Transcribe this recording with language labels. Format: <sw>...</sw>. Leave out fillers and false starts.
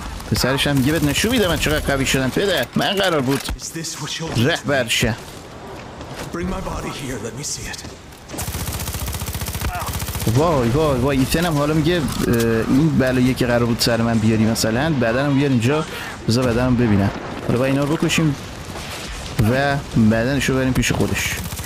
<fa>پسرشم میگه بهت نشون میده من چقدر قوی شدم. پدر من قرار بود رهبر شم.</fa> <en>Bring my body here, let me see it.</en> <fa>وای ایتنم حالا میگه این بلایی که قرار بود سر من بیاری، مثلا بدنم بیار اینجا، بذار بدنم ببینم. حالا با اینا رو بکشیم و بدنشو بریم پیش خودش.</fa>